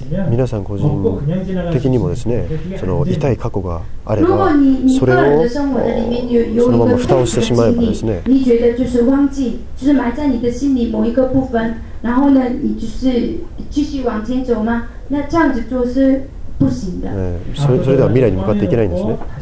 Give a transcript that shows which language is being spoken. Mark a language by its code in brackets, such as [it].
[ja] 皆さん個人的にもですね、その痛い過去があればそれをそのまま蓋をしてしまえばですね、 [zh] 你觉得就是忘记就是埋在你的心里某一个部分然后呢你就是继续往前走吗？那这样子做是不行的。 [ja] 네所以それでは未来に向かっていけないんですね。